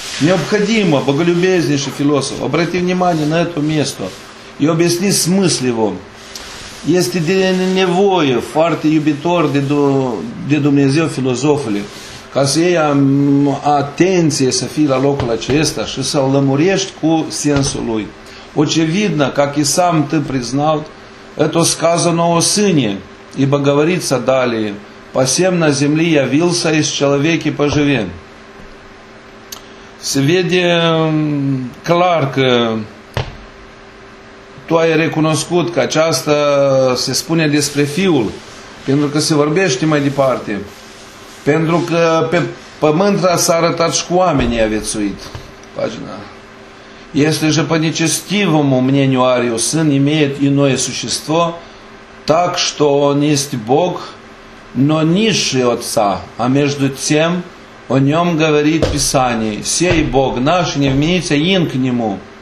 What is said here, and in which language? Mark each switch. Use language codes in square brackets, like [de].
[ru] Необходимо, боголюбезнейший философ, обрати внимание на это место и объясни смысл его. [ro] Este de nevoie foarte iubitor de Dumnezeu filozofului ca să iei atenție să fii la locul acesta și să-l lămurești cu sensul lui. [ru] Очевидно, как и сам ты признал, это сказано о сыне, ибо говорится далее, посем на земле явился из человеки поживе. [ro] Se vede clar că tu ai recunoscut că aceasta se spune despre fiul, pentru că se vorbește mai departe, pentru că pe pământ s-a arătat și cu oamenii a viețuit. Pagina. [ru] Если же по нечестивому мнению Арию сын имеет иное существо, так что он есть Бог, но низший отца, а между тем о нем говорит Писание, сей Бог наш, не вменится ин к нему.